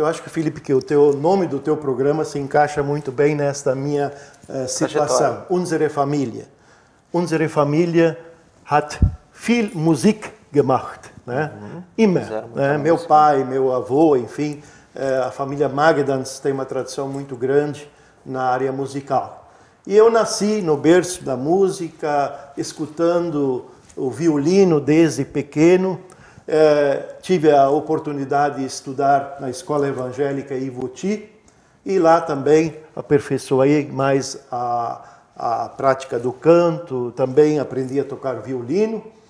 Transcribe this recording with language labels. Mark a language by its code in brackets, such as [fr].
[pt] Eu acho que, Felipe, que o teu nome do teu programa se encaixa muito bem nesta minha situação. [de] Unsere Familie. Unsere Familie hat viel Musik gemacht. [pt] Né? Uhum. [de] Immer. [pt] Né? Meu pai, meu avô, enfim, a família Magdans tem uma tradição muito grande na área musical. E eu nasci no berço da música, escutando o violino desde pequeno. Tive a oportunidade de estudar na Escola Evangélica Ivoti e lá também aperfeiçoei mais a prática do canto, também aprendi a tocar violino.